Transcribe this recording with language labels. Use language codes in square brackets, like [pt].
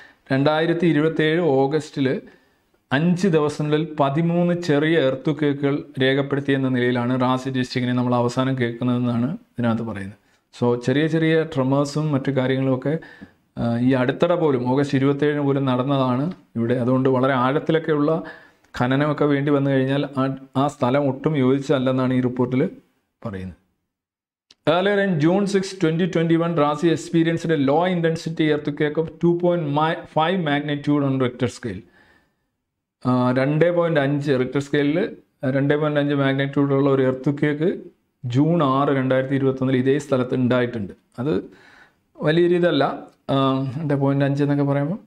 [ml] 2027 ഓഗസ്റ്റിൽ 5 ദിവസങ്ങളിൽ 13 ചെറിയ എർത്ത് കേക്കുകൾ രേഖപ്പെടുത്തിയെന്ന നിലയിലാണ് റാസി ഡിസ്ട്രിക്റ്റിനെ നമ്മൾ അവസാനം കേൾക്കുന്നതെന്നാണ് ഇതിനകത്ത് പറയുന്നത്. സോ ചെറിയ ചെറിയ ട്രമേഴ്സും മറ്റു കാര്യങ്ങളുമൊക്കെ ഈ അടുത്തിടെ പോലും, ഓഗസ്റ്റ് 27 പോലും നടന്നതാണ് ഇവിടെ. അതുകൊണ്ട് വളരെ ആഴത്തിലൊക്കെയുള്ള ഖനനമൊക്കെ വേണ്ടി വന്നു കഴിഞ്ഞാൽ ആ സ്ഥലം ഒട്ടും യോജിച്ചതല്ലെന്നാണ് ഈ റിപ്പോർട്ടിൽ പറയുന്നത്. [en] Earlier in June 6, 2021, Rasi experienced a low intensity earthquake of 2.5 magnitude on Richter scale. [ml] 2.5 Richter scale, 2.5 magnitude ഉള്ള ഒരു earthquake June 6, 2021 ഇതേ സ്ഥലത്ത് ഉണ്ടായിട്ടുണ്ട്. അത് വലിയ രീതിയല്ല, 2.5 എന്നൊക്കെ പറയുമ്പോൾ.